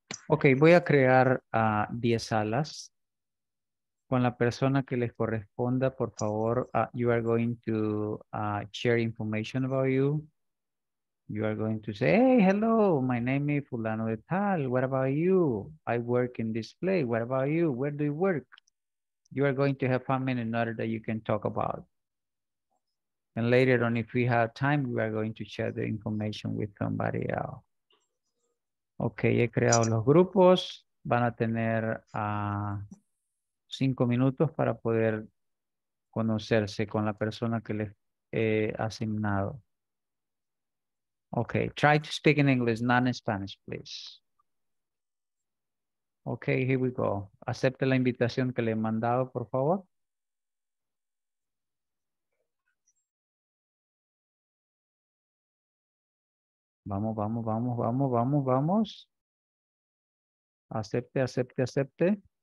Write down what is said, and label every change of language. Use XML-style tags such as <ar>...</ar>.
<es>Ok, voy a crear 10 salas con la persona que les corresponda. Por favor,</es> <en>you are going to share information about you. You are going to say, hey, hello, my name is Fulano de Tal. What about you? I work in this place. What about you? Where do you work? You are going to have 5 minutes in order that you can talk about. And later on, if we have time, we are going to share the information with somebody else.</en> <es>Ok, he creado los grupos. Van a tener 5 minutos para poder conocerse con la persona que les he asignado.</es> <en>Ok, try to speak in English, not in Spanish, please. Ok, here we go.</en> <es>Acepte la invitación que le he mandado, por favor. Vamos, vamos, vamos, vamos, vamos, vamos. Acepte, acepte, acepte.</es>